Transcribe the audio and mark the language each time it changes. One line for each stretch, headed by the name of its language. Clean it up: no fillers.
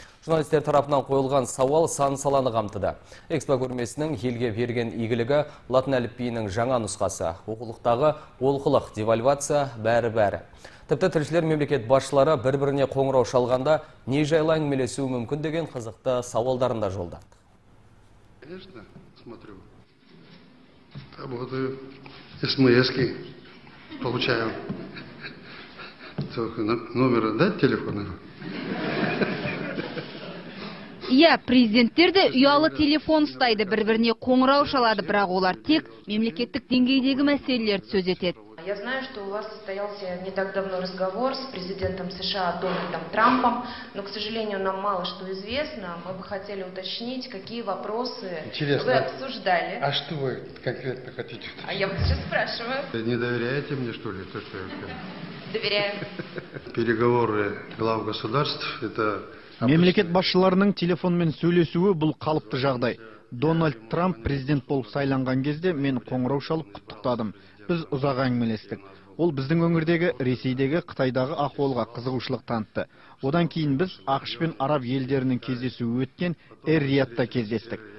Kazakh: Журналистер тарапынан қойылған сауал сан саланы қамтыды. Экспо көрмесінің елге берген игілігі латын әліпбиінің жаңа нұсқасы, оқулықтағы олқылық, девальвация, бәрі-бәрі. Тіпті тілшілер мемлекет басшылары бір-біріне қоңырау шалғанда не жайлы әңгімелесуі мүмкін деген қызықты сауалдарын да жолдады.
Russian: Конечно, смотрю, работаю, смс-ки получаю, только номер, да, телефона?
Kazakh: Я президенттерді ұялы телефон ұстайды, бір-біріне қоңырау шалады, бірақ олар тек мемлекеттік деңгейдегі мәселелерді сөз етеді.
Russian: Я знаю, что у вас состоялся не так давно разговор с президентом США Дональдом Трампом, но, к сожалению, нам мало что известно. Мы бы хотели уточнить, какие вопросы интересно, вы обсуждали. А что вы конкретно хотите уточнить? А я вас сейчас спрашиваю. Не доверяете мне, что ли? Доверяю. Переговоры глав государств – это...
Kazakh: Мемлекет басшыларының телефонмен сөйлесуі бұл қалыпты жағдай. Дональд Трамп президент болып сайланған кезде мен қоңырау шалып құттықтадым. Біз ұзақ әңгімелестік. Ол біздің өңірдегі, Ресейдегі, Қытайдағы ахуалға қызығушылық танытты. Одан кейін біз ақш пен араб елдерінің кездесуі өткен Эр-Риядта кездестік.